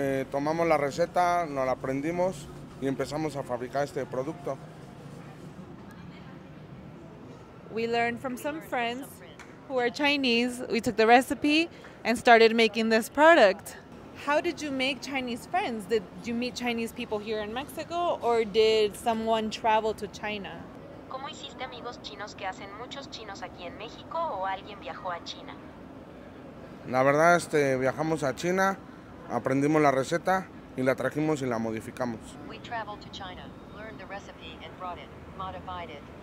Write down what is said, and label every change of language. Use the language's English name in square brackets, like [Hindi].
[Spanish] Tomamos la receta, nos la aprendimos, y empezamos a fabricar este producto. [English] We learned from some friends who are Chinese. We took the recipe and started making this product. How did you make Chinese friends? Did you meet Chinese people here in Mexico, or did someone travel to China? [Spanish] ¿Cómo hiciste amigos chinos que hacen muchos chinos aquí en México, o alguien viajó a China? La verdad, viajamos a China, aprendimos la receta y la trajimos y la modificamos. [English] We traveled to China, learned the recipe and brought it, modified it.